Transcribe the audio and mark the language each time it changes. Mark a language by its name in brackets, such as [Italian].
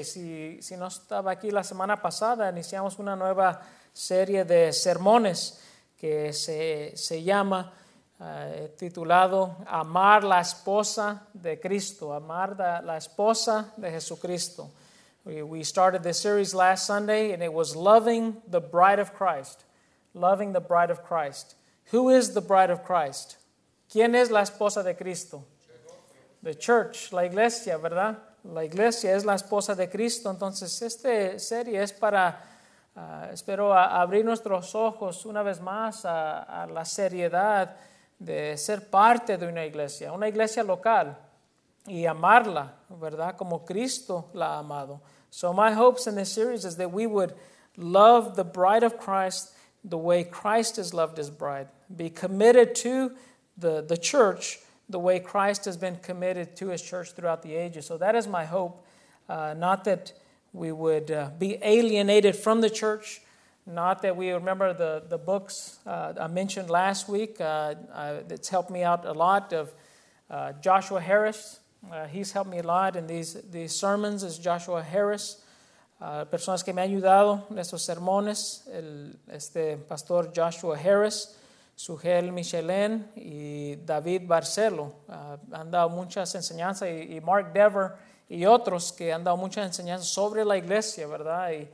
[Spanish] Y si no estaba aquí la semana pasada, iniciamos una nueva serie de sermones que se llama, titulado Amar la Esposa de Cristo. Amar la Esposa de Jesucristo. [English] We started this series last Sunday and it was Loving the Bride of Christ. Loving the Bride of Christ. Who is the Bride of Christ? [Spanish] ¿Quién es la Esposa de Cristo? [English] The church, [Spanish] la iglesia, ¿verdad? La iglesia es la esposa de Cristo. Entonces, esta serie es para, espero, abrir nuestros ojos una vez más a la seriedad de ser parte de una iglesia local, y amarla, ¿verdad? Como Cristo la ha amado. [English] So my hopes in this series is that we would love the bride of Christ the way Christ has loved his bride. Be committed to the church the way Christ has been committed to his church throughout the ages. So that is my hope. Not that we would be alienated from the church. Not that we remember the books I mentioned last week. That's helped me out a lot of Joshua Harris. He's helped me a lot in these sermons. Is Joshua Harris. [Spanish] Personas que me han ayudado en estos sermones. Este pastor Joshua Harris. Sugel Michelin y David Barcelo han dado muchas enseñanzas y Mark Dever y otros que han dado muchas enseñanzas sobre la iglesia, ¿verdad?